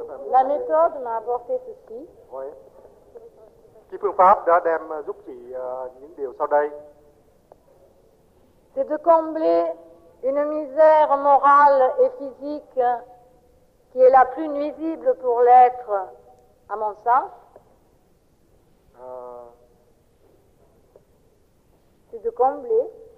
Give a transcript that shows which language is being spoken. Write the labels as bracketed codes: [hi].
[fr] La méthode m'a apporté ceci. Oui. [vi] Cái phương pháp đã đem giúp chị những điều sau đây. [fr] C'est de combler une misère morale et physique qui est la plus nuisible pour l'être, à mon sens. C'est de combler